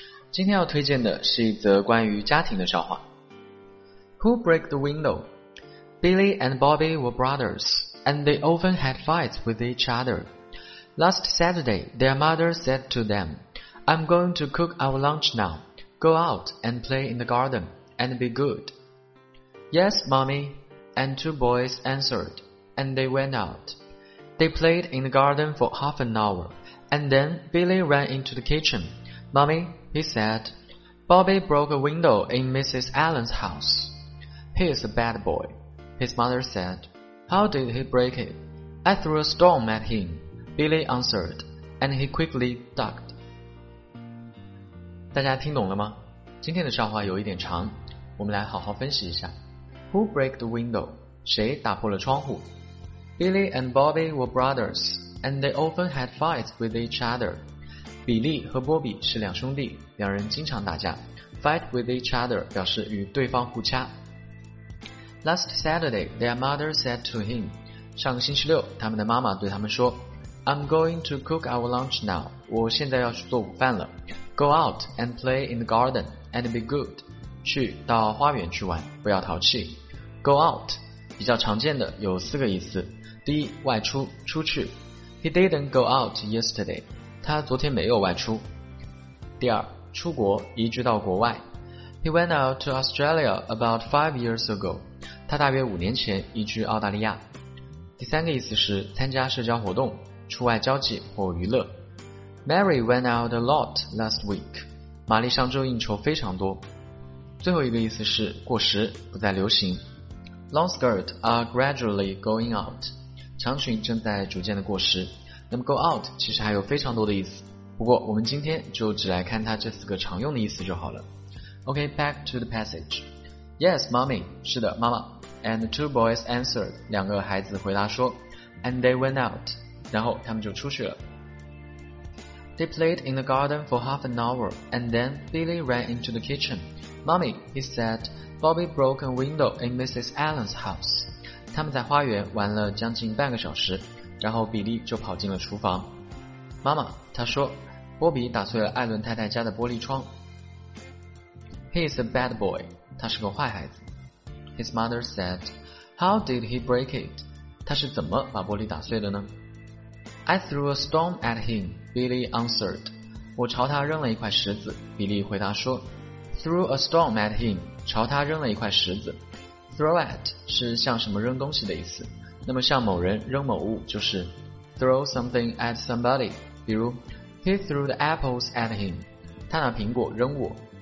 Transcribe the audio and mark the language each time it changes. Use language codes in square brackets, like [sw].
[zh] 今天要推荐的是一则关于家庭的笑话。 [en] Who broke the window? Billy and Bobby were brothers, and they often had fights with each other. Last Saturday, their mother said to them, I'm going to cook our lunch now. Go out and play in the garden, and be good. Yes, mommy, and two boys answered, and they went out. They played in the garden for half an hour, and then Billy ran into the kitchen. Mommy, he said, Bobby broke a window in Mrs. Allen's house. He is a bad boy, his mother said. How did he break it? I threw a stone at him, Billy answered, and he quickly ducked. [zh] 大家听懂了吗？今天的笑话有一点长，我们来好好分析一下。 [en] Who broke the window? [zh] 谁打破了窗户？ [en] Billy and Bobby were brothers, and they often had fights with each other. [zh] 比利和波比是两兄弟，两人经常打架。 [en] Fight with each other [zh] 表示与对方互掐。 [en] Last Saturday, their mother said to him, [zh] 上个星期六，他们的妈妈对他们说， [en] I'm going to cook our lunch now. [zh] 我现在要去做午饭了。 [en] Go out and play in the garden and be good. [zh] 去到花园去玩，不要淘气。 Go out, 比较常见的有四个意思。第一，外出，出去。 [en] He didn't go out yesterday. [zh] 他昨天没有外出。第二，出国，移居到国外。 [en] He went out to Australia about 5 years ago. [zh] 他大约五年前移居澳大利亚。第三个意思是参加社交活动，出外交际或娱乐。 [en] Mary went out a lot last week. [zh] 玛丽上周应酬非常多。最后一个意思是过时，不再流行。 [en] Long skirt are gradually going out. [zh] 长裙正在逐渐的过时。那么 go out 其实还有非常多的意思，不过我们今天就只来看它这四个常用的意思就好了。 [en] OK, back to the passage. Yes, mommy, [zh] 是的妈妈。 [en] And two boys answered, [zh] 两个孩子回答说。 [en] And they went out, [zh] 然后他们就出去了。 [en] They played in the garden for half an hour, and then Billy ran into the kitchen. Mommy, he said, Bobby broke a window in Mrs. Allen's house. [zh] 他们在花园玩了将近半个小时，然后比利就跑进了厨房。妈妈，他说，波比打碎了艾伦太太家的玻璃窗。 [en] He is a bad boy. 他是个坏孩子。 His mother said, How did he break it? [zh] 他是怎么把玻璃打碎的呢？ [en] I threw a stone at him, Billy answered. [zh] 我朝他扔了一块石子，比利回答说。 [en] Threw a stone at him, [zh] 朝他扔了一块石子。Throw at 是向什么扔东西的意思，那么向某人扔某物就是 [en] throw something at somebody, [zh] 比如 [en] He threw the apples at him, [zh] 他拿苹果扔我。